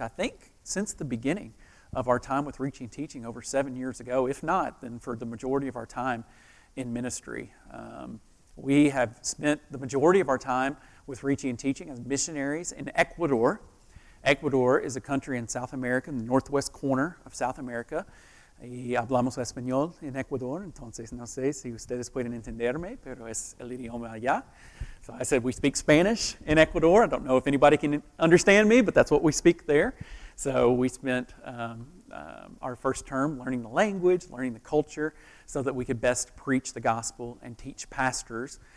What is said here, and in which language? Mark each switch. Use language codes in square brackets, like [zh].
[en] I think since the beginning of our time with Reaching Teaching over 7 years ago, if not, then for the majority of our time in ministry. We have spent the majority of our time with Reaching and Teaching as missionaries in Ecuador. Ecuador is a country in South America, in the northwest corner of South America. [es] Y hablamos español en Ecuador, entonces no sé si ustedes pueden entenderme, pero es el idioma allá. [en] So I said we speak Spanish in Ecuador. I don't know if anybody can understand me, but that's what we speak there. So we spent our first term learning the language, learning the culture, so that we could best preach the gospel and teach pastors